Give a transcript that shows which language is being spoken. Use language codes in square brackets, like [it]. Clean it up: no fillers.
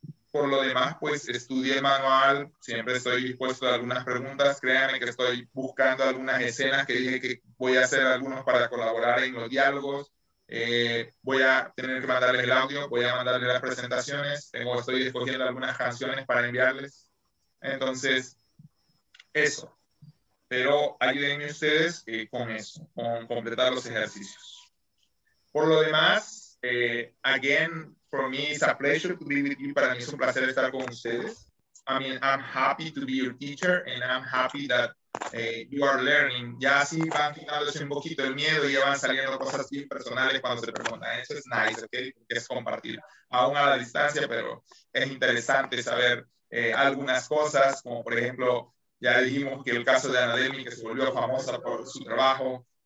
[es] Por lo demás, pues estudie el manual, siempre estoy dispuesto a algunas preguntas, créanme que estoy buscando algunas escenas que dije que voy a hacer algunos para colaborar en los diálogos. Voy a tener que mandarles el audio, voy a mandarles las presentaciones, estoy escogiendo algunas canciones para enviarles. Entonces, eso. Pero ayúdenme ustedes con eso, con completar los ejercicios. Por lo demás, [en] again, for me, it's a pleasure to be with you. [es] Para mí es un placer estar con ustedes. [en] I mean, I'm happy to be your teacher, and I'm happy that you are learning. [es] Ya así van quitándose un poquito el miedo y ya van saliendo cosas bien personales cuando se preguntan. Eso es nice, ¿ok? Que es compartir. Aún a la distancia, pero es interesante saber algunas cosas, como por ejemplo, ya dijimos que el caso de Ana Delmi, que se volvió famosa por su trabajo.